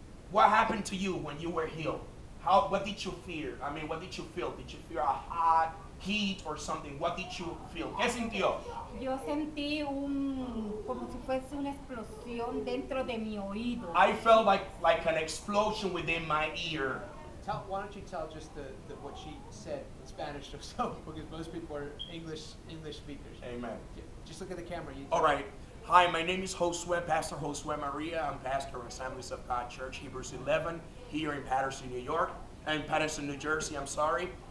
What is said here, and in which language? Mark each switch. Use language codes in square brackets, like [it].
[en] What happened to you when you were healed? What did you fear? I mean, what did you feel? Did you fear a hot heat or something? What did you feel? [es] ¿Qué sintió? Yo sentí como si fuese una explosión dentro de mi oído. [en] I felt like an explosion within my ear. Why don't you tell just the what she said in Spanish or so, because most people are English speakers. Amen. Yeah, just look at the camera. All right. Hi, my name is Josue, Pastor Josue Maria. I'm pastor of Assemblies of God Church, Hebrews 11, here in Paterson, New Jersey, I'm sorry.